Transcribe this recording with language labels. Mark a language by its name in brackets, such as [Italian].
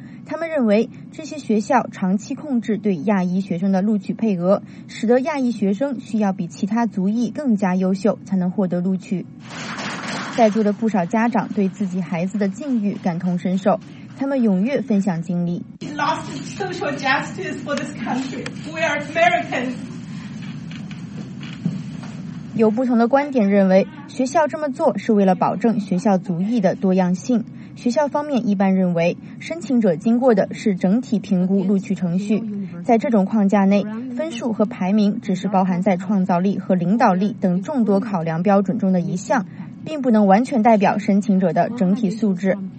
[Chinese] 他们认为这些学校长期控制对亚裔学生的录取配额，使得亚裔学生需要比其他族裔更加优秀才能获得录取。在座的不少家长对自己孩子的境遇感同身受，他们踊跃分享经历。 [English] We lost social justice for this country. We are Americans。 [Chinese] 有不同的观点认为，学校这么做是为了保证学校族裔的多样性。学校方面一般认为，申请者经过的是整体评估录取程序，在这种框架内，分数和排名只是包含在创造力和领导力等众多考量标准中的一项，并不能完全代表申请者的整体素质。